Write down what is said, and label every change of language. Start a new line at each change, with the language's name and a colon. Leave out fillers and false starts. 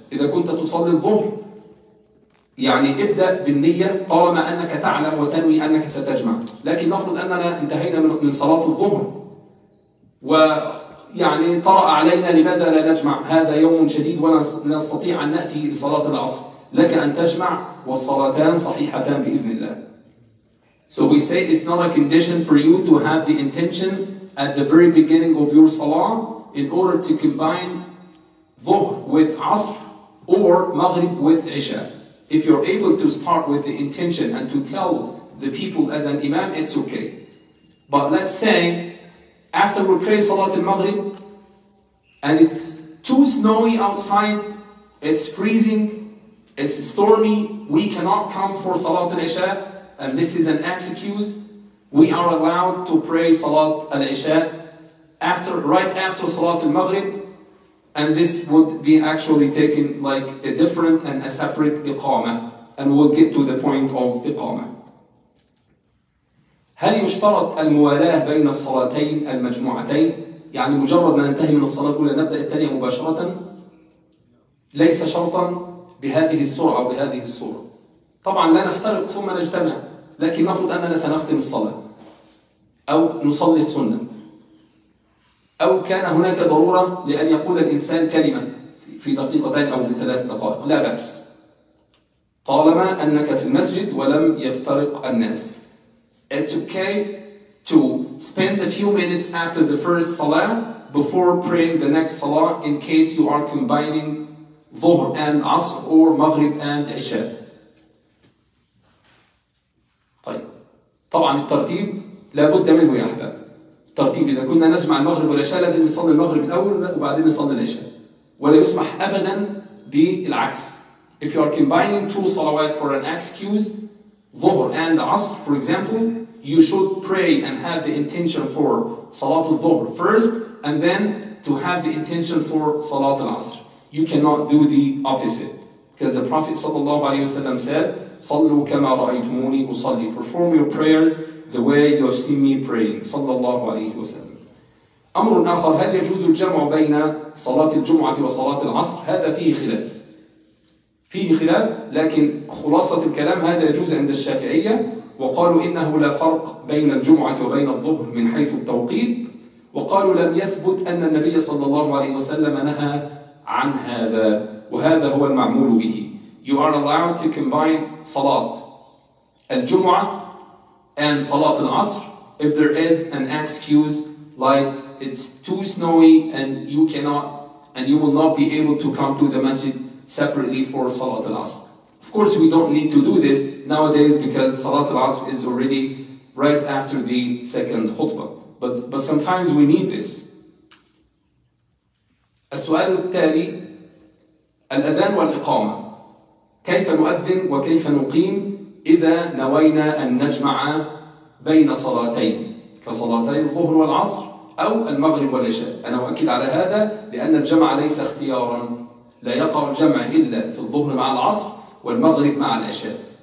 Arabic: إذا كنت تصلي الظهر يعني ابدأ بالنية طالما أنك تعلم وتنوي أنك ستجمع. لكن نفرض أننا انتهينا من صلاة الظهر ويعني طرأ علينا لماذا لا نجمع، هذا يوم شديد ولا نستطيع أن نأتي لصلاة العصر، لك أن تجمع والصلاتان صحيحتان بإذن الله.
English: So we say it's not a condition for you to have the intention at the very beginning of your salah in order to combine dhuhr with asr or maghrib with isha. If you're able to start with the intention and to tell the people as an imam, it's okay. But let's say after we pray salat al-maghrib and it's too snowy outside, it's freezing, it's stormy, we cannot come for salat al-isha and this is an excuse, we are allowed to pray Salat al-Isha right after Salat al-Maghrib, and this would be actually taken like a different and a separate Iqamah, and we'll get to the point of Iqamah.
Arabic: هل يشترط الموالاة بين الصلاتين المجموعتين؟ يعني مجرد ما ننتهي من الصلاة الأولى نبدأ التانية مباشرة؟ ليس شرطا بهذه السرعة وبهذه الصورة. طبعا لا نفترق ثم نجتمع، لكن نفرض أننا سنختم الصلاة أو نصلي السنة، أو كان هناك ضرورة لأن يقول الإنسان كلمة في دقيقتين أو في ثلاث دقائق، لا بأس طالما أنك في المسجد ولم يفترق الناس.
English: It's okay to spend a few minutes after the first salah before praying the next salah in case you are combining ظهر and عصر or مغرب and عشاء.
Arabic: طيب طبعا الترتيب لابد منه يا أحباب، ترتيب إذا كنا نجمع المغرب والعشاء لازم نصلي المغرب الأول وبعدين نصلي العشاء، ولا يسمح أبدا بالعكس.
English: If you are combining two salawat for an excuse, ظهر and عصر for example, you should pray and have the intention for salat al-ظهر first and then to have the intention for salat al-عصر. You cannot do the opposite. Because the Prophet sallallahu alayhi wa sallam says,
Arabic: صَلُّوا كَمَا رَأَيْتُمُونِي أُصَلِّي.
English: Perform your prayers the way you have seen me praying.
Arabic: صلى الله عليه وسلم. أمر آخر، هل يجوز الجمع بين صلاة الجمعة وصلاة العصر؟ هذا فيه خلاف، فيه خلاف، لكن خلاصة الكلام هذا يجوز عند الشافعية، وقالوا إنه لا فرق بين الجمعة وبين الظهر من حيث التوقيت، وقالوا لم يثبت أن النبي صلى الله عليه وسلم نهى عن هذا، وهذا هو المعمول به.
English: You are allowed to combine صلاة الجمعة and صلاة العصر if there is an excuse like it's too snowy and you cannot and you will not be able to come to the masjid separately for صلاة العصر. Of course we don't need to do this nowadays because صلاة العصر is already right after the second khutbah. But sometimes we need this.
Arabic: السؤال التالي، الأذان والإقامة، كيف نؤذن وكيف نقيم إذا نوينا أن نجمع بين صلاتين كصلاتي الظهر والعصر أو المغرب والعشاء؟ أنا أؤكد على هذا لأن الجمع ليس اختيارا، لا يقع الجمع إلا في الظهر مع العصر والمغرب مع العشاء.